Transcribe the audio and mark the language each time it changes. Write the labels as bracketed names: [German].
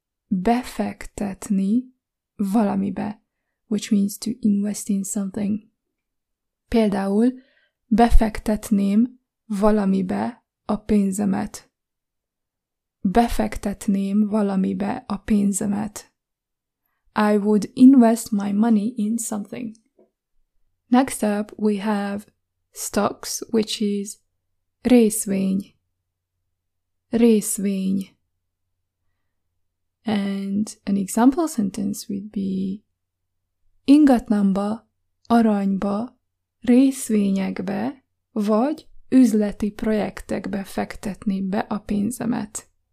[Hungarian] Befektetni valamibe, [English] which means to invest in something. [Hungarian] Például befektetném valamibe a pénzemet. Befektetném valamibe a pénzemet. [English] I would invest my money in something. Next up we have stocks, which is részvény. [Hungarian] Részvény. [English] And an example sentence would be [Hungarian] ingatlanba, aranyba, részvényekbe, vagy üzleti projektekbe fektetni be a pénzemet.